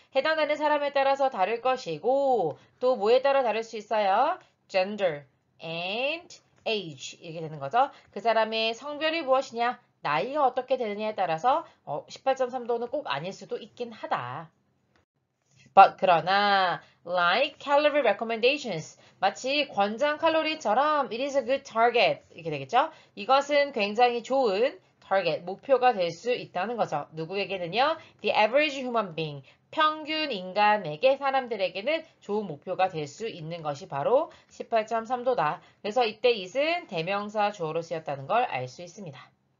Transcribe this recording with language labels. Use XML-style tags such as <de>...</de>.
<ko>해당되는 사람에 따라서 다를 것이고, 또 뭐에 따라 다를 수 있어요?</ko> <en>Gender and age</en> <ko>이렇게 되는 거죠. 그 사람의 성별이 무엇이냐, 나이가 어떻게 되느냐에 따라서 18.3도는 꼭 아닐 수도 있긴 하다.</ko> <en>But</en> <ko>그러나</ko> <en>like calorie recommendations</en> <ko>마치 권장 칼로리처럼</ko> <en>it is a good target</en> <ko>이렇게 되겠죠. 이것은 굉장히 좋은 target 목표가 될수 있다는 거죠. 누구에게는요?</ko> <en>The average human being</en> <ko>평균 인간에게 사람들에게는 좋은 목표가 될수 있는 것이 바로 18.3도다. 그래서 이때 is은 대명사 주어로 쓰였다는 걸알수 있습니다.</ko>